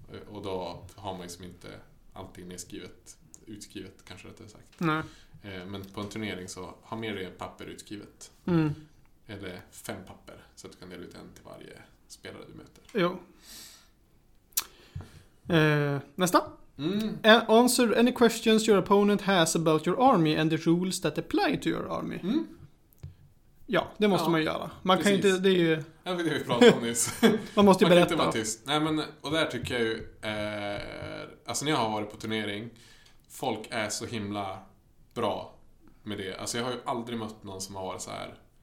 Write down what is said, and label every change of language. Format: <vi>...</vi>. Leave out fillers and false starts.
<sv>Och då har man ju som inte allting nedskrivet, utskrivet kanske rättare sagt. Nej. Men på en turnering så har mer än papper utskrivet. Mm. Eller fem papper så att du kan dela ut en till varje spelare du möter. Jo. Nästa. Mm.</sv> <en>Answer any questions your opponent has about your army and the rules that apply to your army.</en> <sv>Mm. Ja, det måste ja. Man göra. Man precis. Kan inte, det är ju... Ja, det vi pratade om nyss. Man måste ju man berätta. Kan inte vara tyst. Nej, men, och där tycker jag ju... alltså när jag har varit på turnering, folk är så himla bra med det. Alltså jag har ju aldrig mött någon som har varit så här...</sv>